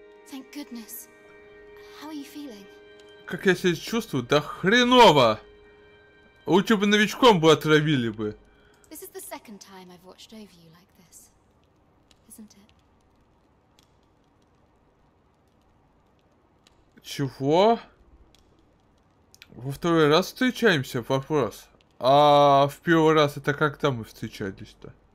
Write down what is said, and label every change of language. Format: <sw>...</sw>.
<en>Thank goodness. How are you feeling?</en> <ru>Как я себя чувствую? Да хреново! Лучше бы новичком бы отравили бы.</ru> <en>This is the second time I've watched over you like this, isn't it?</en> <ru>Чего? Во второй раз встречаемся? Вопрос. А в первый раз это когда мы встречались-то?</ru>